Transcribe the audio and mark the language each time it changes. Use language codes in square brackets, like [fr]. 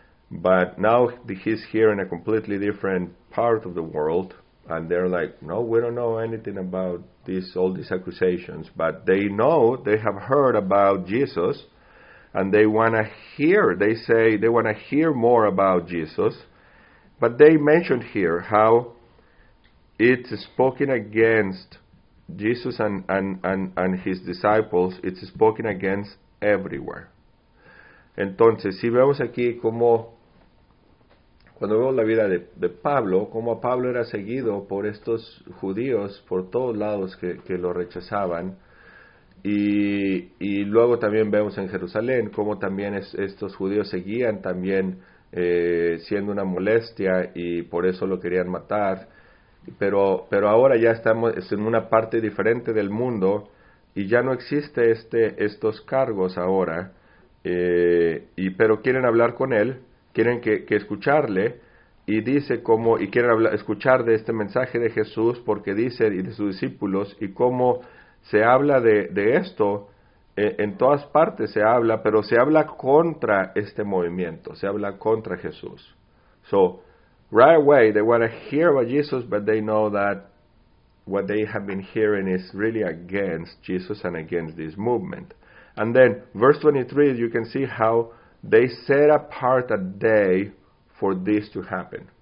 [en] But now he's here in a completely different part of the world, and they're like, no, we don't know anything about this, all these accusations, but they know, they have heard about Jesus, and they want to hear, they say they want to hear more about Jesus. But they mentioned here how it's spoken against Jesus and his disciples, it's spoken against everywhere. [es] Entonces, si vemos aquí como, cuando vemos la vida de Pablo, como Pablo era seguido por estos judíos por todos lados que lo rechazaban, y luego también vemos en Jerusalén como también estos judíos seguían también siendo una molestia y por eso lo querían matar. Pero ahora ya estamos en una parte diferente del mundo y ya no existe estos cargos ahora, pero quieren hablar con él, quieren que escucharle, y dice cómo, y quieren escuchar de este mensaje de Jesús, porque dice, y de sus discípulos, y cómo se habla de esto, en todas partes se habla, pero se habla contra este movimiento, se habla contra Jesús. [en] So, right away, they want to hear about Jesus, but they know that what they have been hearing is really against Jesus and against this movement. And then, verse 23, you can see how they set apart a day for this to happen.